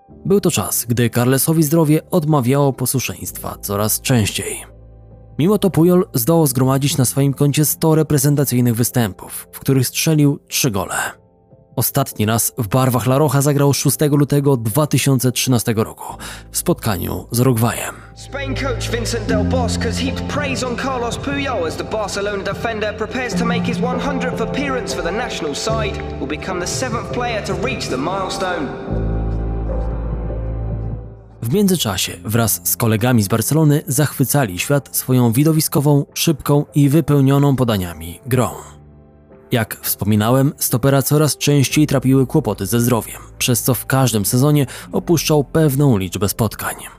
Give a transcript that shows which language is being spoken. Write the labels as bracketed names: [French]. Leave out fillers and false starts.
[Polish] Był to czas, gdy Carlesowi zdrowie odmawiało posłuszeństwa coraz częściej. Mimo to Puyol zdołał zgromadzić na swoim koncie 100 reprezentacyjnych występów, w których strzelił 3 gole. Ostatni raz w barwach La Rocha zagrał 6 lutego 2013 roku w spotkaniu z Urugwajem. [English] Spain coach Vincent Del Bosque has heaped praise on Carlos Puyol as the Barcelona defender prepares to make his 100th appearance for the national side, will become the 7th player to reach the milestone. [Polish] W międzyczasie wraz z kolegami z Barcelony zachwycali świat swoją widowiskową, szybką i wypełnioną podaniami grą. Jak wspominałem, stopera coraz częściej trapiły kłopoty ze zdrowiem, przez co w każdym sezonie opuszczał pewną liczbę spotkań.